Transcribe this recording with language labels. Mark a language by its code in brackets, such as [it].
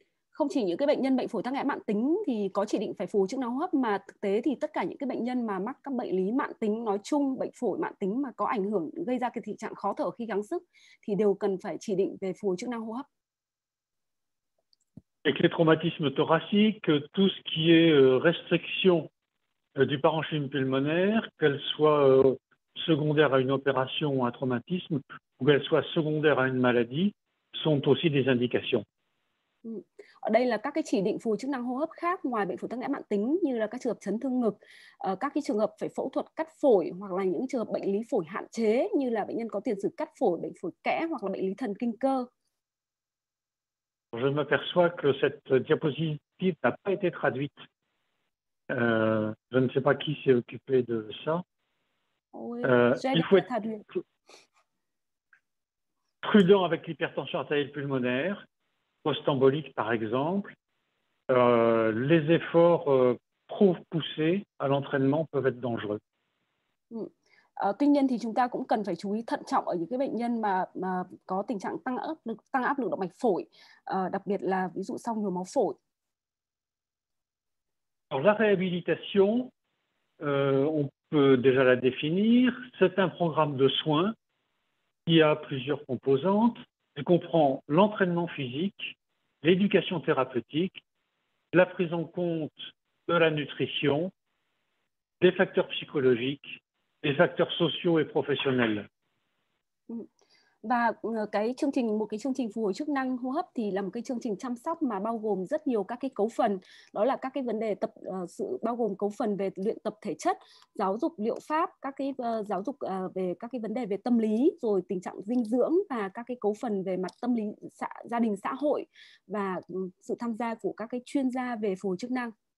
[vi] Không chỉ những cái bệnh nhân bệnh phổi tắc nghẽn mãn tính thì có chỉ định phải phù chức năng hô hấp, mà thực tế thì tất cả những cái bệnh nhân mà mắc các bệnh lý mãn tính nói chung, bệnh phổi mãn tính mà có ảnh hưởng gây ra cái tình trạng khó thở khi gắng sức thì đều cần phải chỉ định về phù chức năng hô hấp. [fr] Avec les traumatismes thoraciques, tout ce qui est restriction du parenchyme pulmonaire, qu'elle soit secondaires à une opération ou un traumatisme, ou qu'elles soient secondaires à une maladie, sont aussi des indications. [vi] Ở đây là các cái chỉ định phù chức năng hô hấp khác ngoài bệnh phổi tắc nghẽn mãn tính, như là các trường hợp chấn thương ngực, các cái trường hợp phải phẫu thuật cắt phổi, hoặc là những trường hợp bệnh lý phổi hạn chế như là bệnh nhân có tiền sử cắt phổi, bệnh phổi kẽ hoặc là bệnh lý thần kinh cơ. [fr] Je m'aperçois que cette diapositive n'a pas été traduite. Je ne sais pas qui s'est occupé de ça. Il faut être prudent avec l'hypertension artérielle pulmonaire, post-embolique par exemple. Les efforts trop poussés à l'entraînement peuvent être dangereux. [vi] Tuy nhiên thì chúng ta cũng cần phải chú ý thận trọng ở những cái bệnh nhân mà có tình trạng tăng áp lực động mạch phổi, đặc biệt là ví dụ sau nhồi máu phổi. [fr] Alors, la réhabilitation, on peut déjà la définir. C'est un programme de soins qui a plusieurs composantes. Il comprend l'entraînement physique, l'éducation thérapeutique, la prise en compte de la nutrition, des facteurs psychologiques, des facteurs sociaux et professionnels. [vi] Và một cái chương trình phù hồi chức năng hô hấp thì là một cái chương trình chăm sóc mà bao gồm rất nhiều các cái cấu phần, đó là các cái vấn đề tập sự bao gồm cấu phần về luyện tập thể chất, giáo dục liệu pháp, các cái giáo dục về các cái vấn đề về tâm lý, rồi tình trạng dinh dưỡng và các cái cấu phần về mặt tâm lý gia đình xã hội và sự tham gia của các cái chuyên gia về phù hồi chức năng.